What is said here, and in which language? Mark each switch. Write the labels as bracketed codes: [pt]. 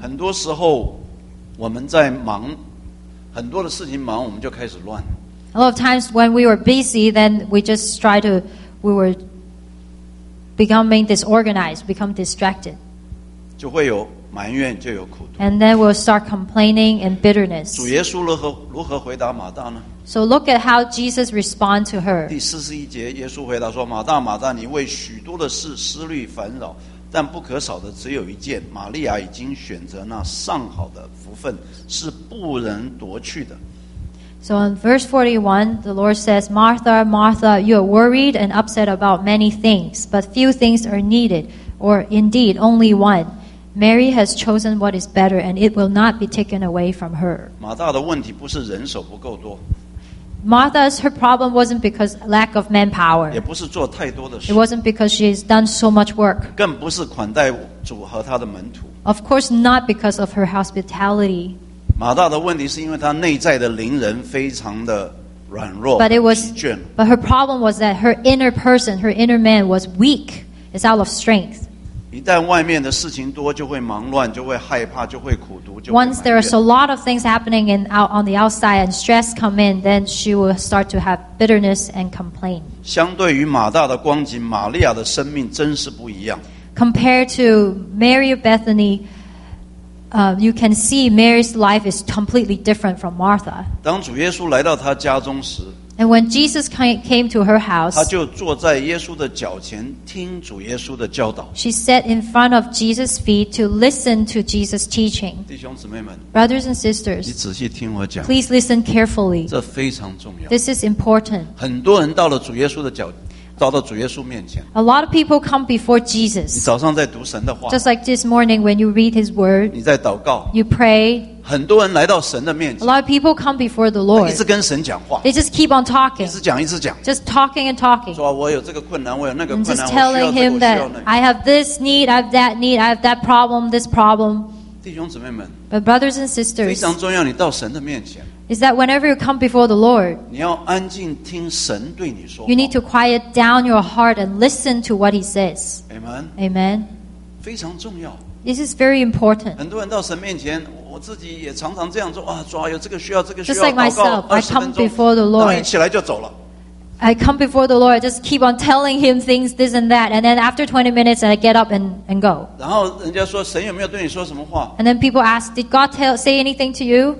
[zh] 很多时候，我们在忙，很多的事情忙，我们就开始乱。 [en] A lot of times when we were busy, then we just try to, we were becoming disorganized, become distracted. [zh] 就会有埋怨，就有苦毒。 [en] And then we'll start complaining and bitterness. [zh] 主耶稣如何回答马大呢？ [en] So look at how Jesus responded to her. [zh] 第41节，耶稣回答说：“马大，马大，你为许多的事思虑烦扰，但不可少的只有一件。玛利亚已经选择那上好的福分，是不能夺去的。” [en] So in verse 41, the Lord says, "Martha, Martha, you are worried and upset about many things, but few things are needed, or indeed only one. Mary has chosen what is better, and it will not be taken away from her. [zh] 马大的问题不是人手不够多。 [en] Martha's her problem wasn't because lack of manpower. [zh] 也不是做太多的事。 [en] It wasn't because she has done so much work. [zh] 更不是款待主和他的门徒。 [en] Of course, not because of her hospitality. [zh] 马大的问题是因为她内在的灵人非常的软弱。 [en] But her problem was that her inner person, her inner man, was weak. It's out of strength. [zh] 一旦外面的事情多，就会忙乱，就会害怕，就会苦读。 [en] Once there is a lot of things happening in out on the outside and stress come in, then she will start to have bitterness and complain. [zh] 相对于马大的光景，玛利亚的生命真是不一样。 [en] Compared to Mary of Bethany, you can see Mary's life is completely different from Martha. [zh] 当主耶稣来到她家中时。 [en] And when Jesus came to her house, [zh] 她就坐在耶稣的脚前听主耶稣的教导。 [en] She sat in front of Jesus' feet to listen to Jesus' teaching. [zh] 弟兄姊妹们 [en] brothers and sisters, [zh] 你仔细听我讲。 [en] Please listen carefully. [zh] 这非常重要。 [en] This is important. [zh] 很多人到了主耶稣的脚，到了主耶稣面前。 [en] A lot of people come before Jesus. [zh] 你早上在读神的话。 [en] Just like this morning when you read His word. [zh] 你在祷告。 [en] You pray. [zh] 很多人来到神的面前 [en] A lot of people come before the Lord [zh] 一直跟神讲话 [en] They just keep on talking [zh] 一直讲一直讲 [en] Just talking and talking [zh] 说我有这个困难我有那个困难 [en] And just telling him that I have this need I have that need I have that problem this problem [zh] 弟兄姊妹们 [en] But brothers and sisters [zh] 非常重要你到神的面前 [en] Is that whenever you come before the Lord [zh] 你要安静听神对你说话 [en] You need to quiet down your heart and listen to what he says Amen Amen [zh] 非常重要 [en] This is very important [zh] 很多人到神面前我自己也常常这样做啊，主啊，有这个需要，这个需要。 [en] Just like myself, I come before the Lord. [zh] 然后一起来就走了。 [en] I come before the Lord, just keep on telling Him things, this and that, and then after 20 minutes, I get up and go. [zh] 然后人家说神有没有对你说什么话 [en] ？And then people ask, did God say anything to you?